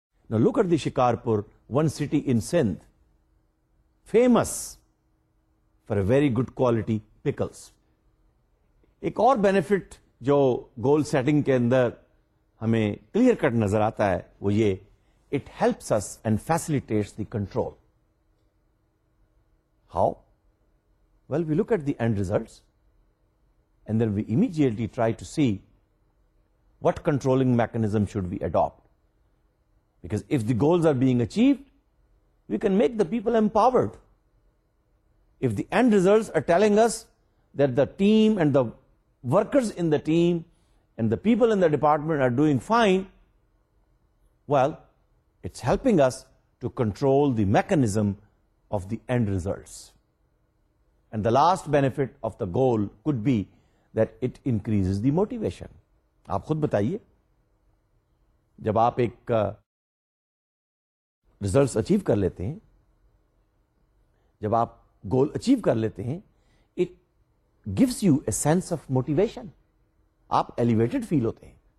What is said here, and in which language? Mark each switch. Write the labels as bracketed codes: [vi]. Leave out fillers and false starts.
[en] No look at the Shikarpur, one city in Sindh, famous for a very good quality pickles. [ur] ایک اور benefit جو goal setting کے اندر ہمیں clear cut نظر آتا ہے وہ یہ, [en] It helps us and facilitates the control. How? Well, we look at the end results and then we immediately try to see what controlling mechanism should we adapt, because if the goals are being achieved we can make the people empowered. If the end results are telling us that the team and the workers in the team and the people in the department are doing fine, well, it's helping us to control the mechanism of the end results. And the last benefit of the goal could be that it increases the motivation. [ur] آپ خود بتائیے جب آپ ایک results achieve کر لیتے ہیں, جب آپ goal achieve کر لیتے ہیں, [en] gives you a sense of motivation. [ur] آپ elevated feel ہوتے ہیں.